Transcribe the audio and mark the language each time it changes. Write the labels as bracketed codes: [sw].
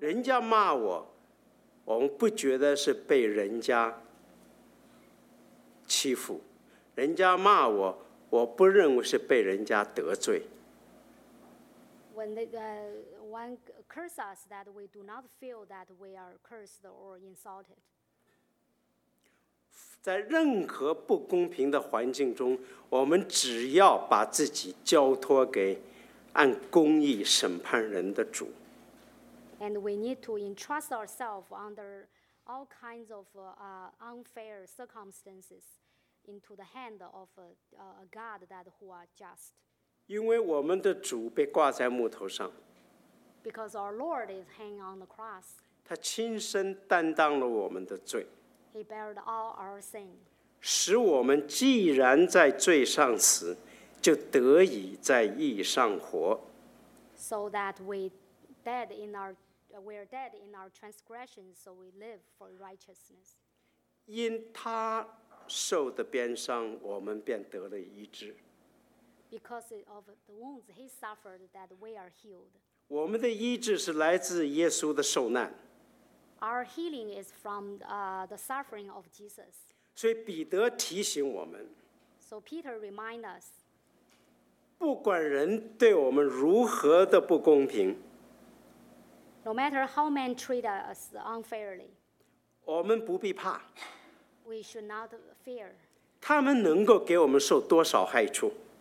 [zh] 人家骂我我们不觉得是被人家欺负，人家骂我，我不认为是被人家得罪。 [en] When one curses us, that we do not feel that we are cursed or insulted. [zh] 在任何不公平的环境中，我们只要把自己交托给按公义审判人的主。 [en] And we need to entrust ourselves under all kinds of unfair circumstances into the hand of a God that who are just. [zh] 因为我们的主被挂在木头上。 [en] Because our Lord is hanging on the cross. [zh] 他亲身担当了我们的罪。 [en] He bore all our sin. [zh] 使我们既然在罪上死，就得以在义上活。 [en] So that we're dead in our transgressions, so we live for righteousness. [zh] 因他受的鞭伤，我们便得了医治。 [en] Because of the wounds he suffered, that we are healed. [zh] 我们的医治是来自耶稣的受难。 [en] Our healing is from the suffering of Jesus. [zh] 所以彼得提醒我们。 [en] So Peter reminds us. [zh] 不管人对我们如何的不公平。 [en] No matter how men treat us unfairly. [zh] 我们不必怕。 [en] We should not fear. [zh] 他们能够给我们受多少害处。